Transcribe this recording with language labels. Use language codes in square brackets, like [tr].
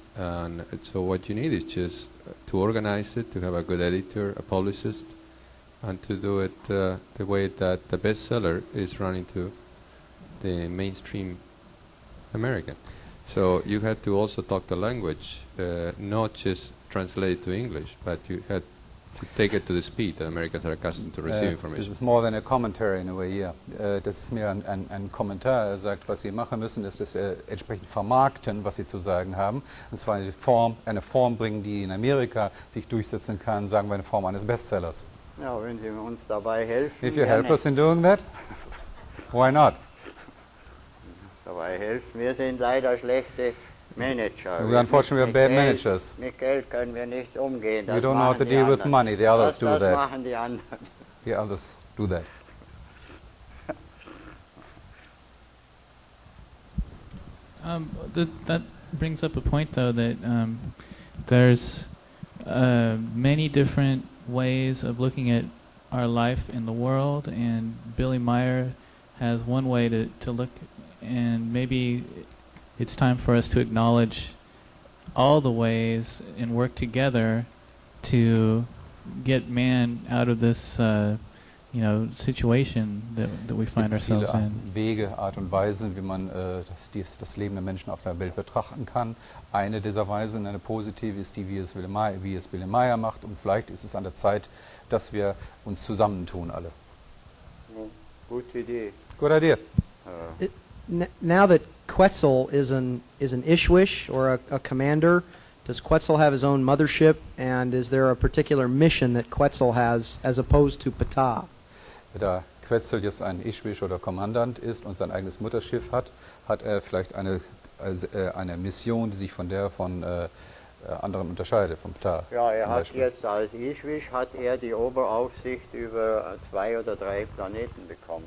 [en] And so what you need is just to organize it, to have a good editor, a publicist, and to do it the way that the bestseller is running to the mainstream American. So you had to also talk the language, not just translate it to English, but you had to take it to the speed that Americans are accustomed to receive information. This is more than a commentary in a way, yeah. [de] Das ist mehr ein Kommentar. Er sagt, was Sie machen müssen, ist das entsprechend vermarkten, was Sie zu sagen haben. Und zwar eine Form bringen, die in Amerika sich durchsetzen kann, sagen wir in Form eines Bestsellers. Ja, wenn Sie uns dabei helfen. [en] If you help us in doing that, why not? [de] Dabei helfen. Wir sind leider schlechte Manager. [en] Unfortunately, we are bad managers. [de] Mit Geld können wir nicht umgehen. [en] We don't know how to deal with money. The others do that. [de] Das machen die anderen. [en] The others do that. That brings up a point, though, that there's many different ways of looking at our life in the world, and Billy Meyer has one way to look. And maybe it's time for us to acknowledge all the ways and work together to get man out of this situation that we find ourselves in. [de] Wege, Art und Weisen, wie man das Leben der Menschen auf der Welt betrachten kann. Eine dieser Weisen, eine positive, ist die, wie es Billy Meyer macht. Und vielleicht ist es an der Zeit, dass wir uns zusammentun alle. Gute Idee. [en] Good idea. Now that Quetzal is an Ishwish or a commander, does Quetzal have his own mothership, and is there a particular mission that Quetzal has as opposed to Ptah? [de] Da Quetzal jetzt ein Ishwish oder Kommandant ist und sein eigenes Mutterschiff hat er vielleicht eine Mission, die sich von der von anderen unterscheidet, von Ptah. Ja, er hat jetzt als Ishwish hat er die Oberaufsicht über zwei oder drei Planeten bekommen.